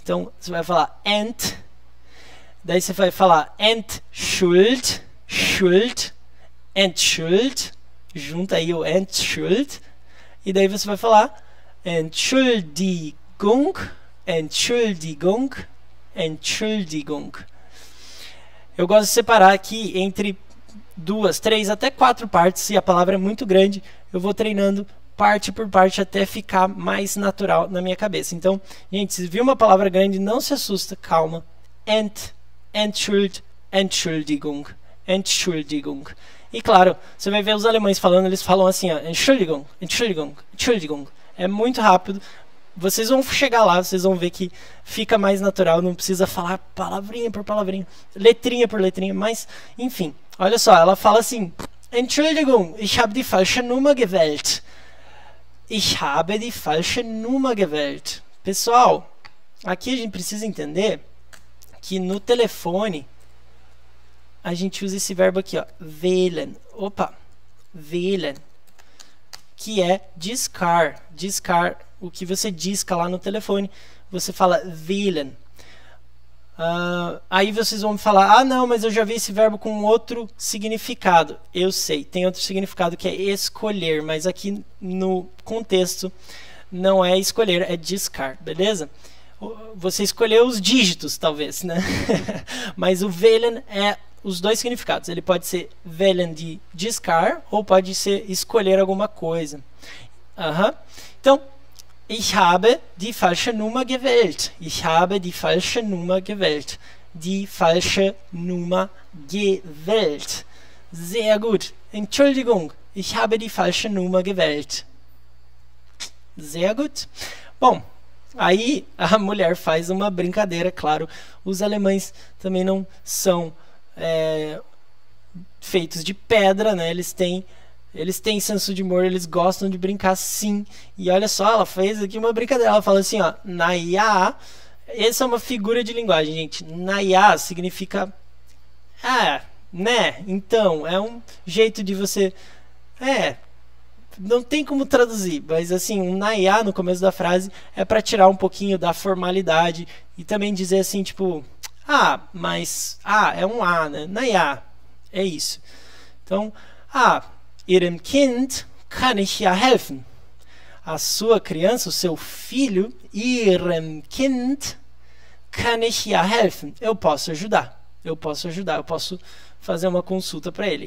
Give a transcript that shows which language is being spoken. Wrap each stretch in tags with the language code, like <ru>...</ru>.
<pt>Então, você vai falar ent, daí você vai falar entschuld, schuld, entschuld, junta aí o entschuld, e daí você vai falar entschuldigung, entschuldigung, entschuldigung. Eu gosto de separar aqui entre duas, três, até quatro partes. Se a palavra é muito grande, eu vou treinando parte por parte até ficar mais natural na minha cabeça. Então, gente, se viu uma palavra grande, não se assusta, calma.</pt> <de>Entschuld, Entschuldigung, Entschuldigung.</de> <pt>E claro, você vai ver os alemães falando, eles falam assim, ó, Entschuldigung, Entschuldigung, Entschuldigung. É muito rápido. Vocês vão chegar lá, vocês vão ver que fica mais natural, não precisa falar palavrinha por palavrinha, letrinha por letrinha, mas enfim. Olha só, ela fala assim:</pt> <de>Entschuldigung, ich habe die falsche Nummer gewählt. Ich habe die falsche Nummer gewählt.</de> <pt>Pessoal, aqui a gente precisa entender que no telefone a gente usa esse verbo aqui, ó, wählen. Opa, wählen, que é discar. Discar, o que você disca lá no telefone, você fala wählen. Aí vocês vão me falar: ah, não, mas eu já vi esse verbo com outro significado. Eu sei, tem outro significado que é escolher, mas aqui no contexto não é escolher, é discard, beleza? Você escolheu os dígitos, talvez, né? Mas o velen é os dois significados. Ele pode ser velen de discard ou pode ser escolher alguma coisa.</pt> <de>Então, ich habe die falsche Nummer gewählt. Ich habe die falsche Nummer gewählt. Die falsche Nummer gewählt. Sehr gut. Entschuldigung, ich habe die falsche Nummer gewählt. Sehr gut.</de> <pt>Bom, aí a mulher faz uma brincadeira, claro. Os alemães também não são feitos de pedra, né? Eles têm senso de humor, eles gostam de brincar, sim. E olha só, ela fez aqui uma brincadeira. Ela fala assim, ó, naia. Essa é uma figura de linguagem, gente. Naia significa, né? Então, é um jeito de você, não tem como traduzir, mas assim, um naia no começo da frase é para tirar um pouquinho da formalidade e também dizer assim, tipo, é um a, né? Naia, é isso.</pt> <de>Então, Ihrem Kind kann ich ja helfen.</de> <pt>A sua criança, o seu filho,</pt> <de>Ihrem Kind kann ich ja helfen.</de> <pt>Eu posso ajudar. Eu posso ajudar. Eu posso fazer uma consulta para ele.</pt>